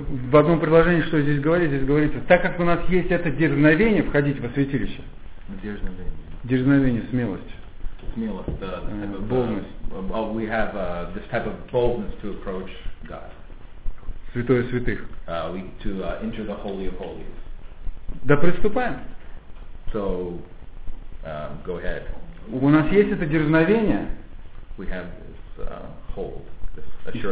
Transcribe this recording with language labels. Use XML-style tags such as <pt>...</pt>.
<ru>В одном предложении, что здесь говорится, так как у нас есть это дерзновение входить во святилище. Дерзновение, смелость. Смелость,</ru> <en>the type of boldness. Well, we have this type of boldness to approach God.</en> <ru>Святое святых.</ru> <en>To enter the Holy of Holies.</en> <ru>Да приступаем.</ru> <en>So, go ahead.</en> <ru>У нас есть это дерзновение.</ru> <en>We have this hold, this assurance.</en>